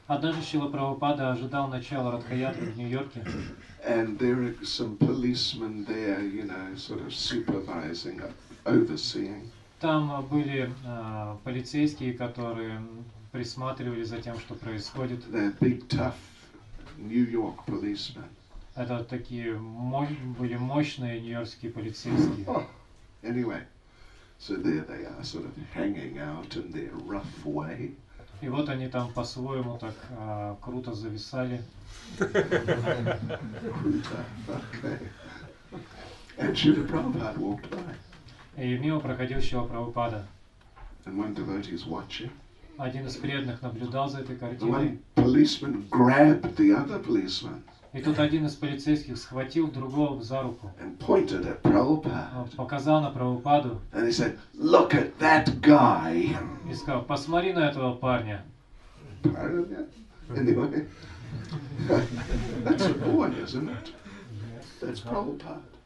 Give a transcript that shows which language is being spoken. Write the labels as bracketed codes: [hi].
[ru] Однажды Шрила Прабхупада ожидал начала Радхаятры в Нью-Йорке. [en] And there are some policemen there, you know, sort of supervising, overseeing. [ru] Там были полицейские, которые присматривали за тем, что происходит. [en] They're big tough New York policemen. [ru] Это такие были мощные нью-йоркские полицейские. [en] Anyway, so there they are, sort of hanging out in their rough way. [ru] И вот они там по-своему так круто зависали. Круто, [en] okay. And Śrīla Prabhupāda walked by. [ru] И мимо проходил Śrīla Prabhupāda. [en] And one devotee is watching. [ru] Один из преданных наблюдал за этой картиной. [en] The one policeman grabbed the other policeman. [ru] И тут один из полицейских схватил другого за руку. [en] And pointed at Prabhupada. [ru] Показал на Прабхупаду. [en] And he said, look at that guy. [ru] И сказал, посмотри на этого парня. [en] Anyway. That's a boy, isn't it? That's Prabhupada.